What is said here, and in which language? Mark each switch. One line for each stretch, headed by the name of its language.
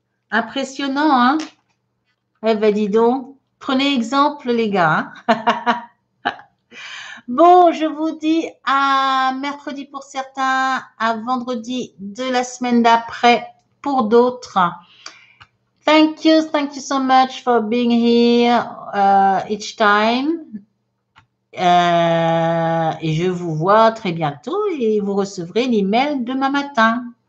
French: Impressionnant, hein? Eh ben, dis donc. Prenez exemple, les gars. Bon, je vous dis à mercredi pour certains, à vendredi de la semaine d'après pour d'autres.
English: Thank you so much for being here each time.
French: Et je vous vois très bientôt et vous recevrez l'email demain matin.